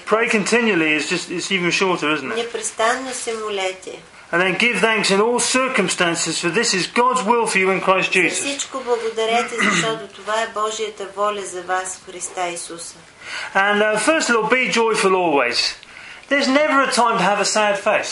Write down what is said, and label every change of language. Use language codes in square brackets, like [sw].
[en] Pray continually is even shorter, isn't it? [bg] Непрестанно се молете. [en] And then give thanks in all circumstances, for this is God's will for you in Christ Jesus. [bg] Всичко благодарете, защото това е Божията воля за вас в Христа Исуса. [en] And first of all, be joyful always. There's never a time to have a sad face.